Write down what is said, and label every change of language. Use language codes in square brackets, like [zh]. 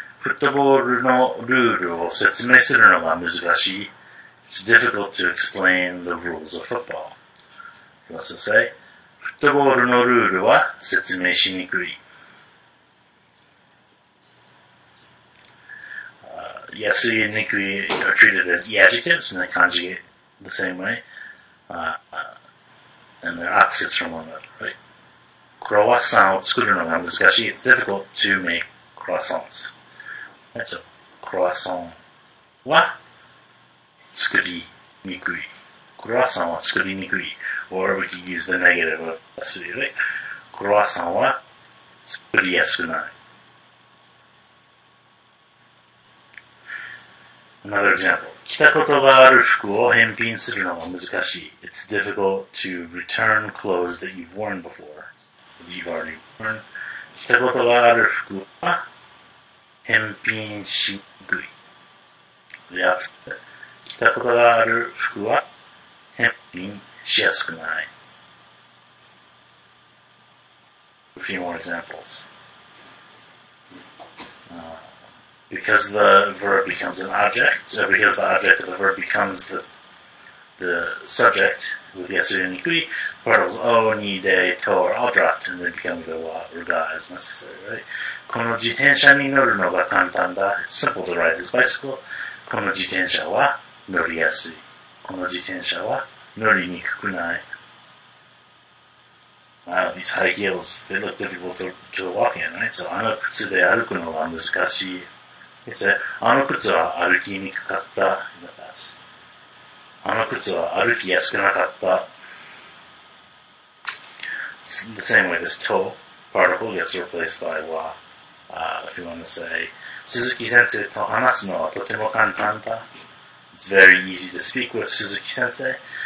[ja] フットボールのルールを説明するのが難しい. [en] It's difficult to explain the rules of football. Let's just say, [ja] フットボールのルールは説明しにくい. [en] Yasui and nikui are treated as adjectives and they conjugate the same way. And they're opposites from one another, right? [ja] Croissant を作るのが難しい. [en] It's difficult to make croissants. Right, so, [ja] croissant は作りにくい. Croissant は作りにくい. [en] Or we could use the negative of yasui, right? [ja] Croissant は作りやすくない. [en] Another example. [ja] 着たことがある服を返品するのが難しい。 [en] It's difficult to return clothes that you've worn before. You've already worn. [ja] 着たことがある服は返品しにくい。 [en] The opposite. [ja] 着たことがある服は返品しやすくない。 [en] A few more examples. Because the verb becomes an object, because the object of the verb becomes the subject with yasui nikui, particles o, ni, de, to are all dropped and they become go wa or ga as necessary, right? [ja] この自転車に乗るのが簡単だ. [en] It's simple to ride this bicycle. [ja] この自転車は乗りやすい.この自転車は乗りにくくない. [en] Wow, these high heels, they look difficult to walk in, right? [ja] So あの靴で歩くのが難しい. [en] It's [ja] あの靴は歩きにくかった [en] in the past. [ja] あの靴は歩きやすくなかった. [en] It's the same way this to particle gets replaced by wa. If you want to say, [ja] Suzuki 先生と話すのはとても簡単だ. [en] It's very easy to speak with Suzuki 先生.